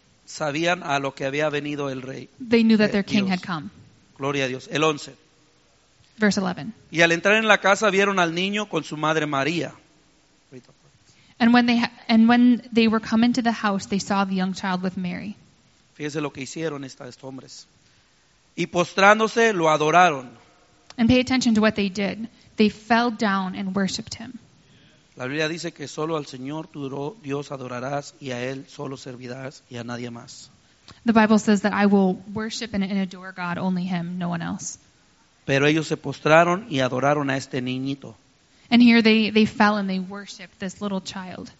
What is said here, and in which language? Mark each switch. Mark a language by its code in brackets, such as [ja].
[es] sabían a lo que había venido el rey. [en] They knew that their king had come. [es] Gloria a Dios. El 11. [en] Verse 11. [es] Y al entrar en la casa, vieron al niño con su madre María. [en] And when they were come into the house, they saw the young child with Mary. [es] Fíjese lo que hicieron estos hombres. Y postrándose lo adoraron. [en] And pay attention to what they did. They fell down and worshipped him. [es] La Biblia dice que solo al Señor tu Dios adorarás y a él solo servirás y a nadie más. [en] The Bible says that I will worship and adore God, only him, no one else. [es] Pero ellos se postraron y adoraron a este niñito. [en] And here they fell and they worshiped this little child.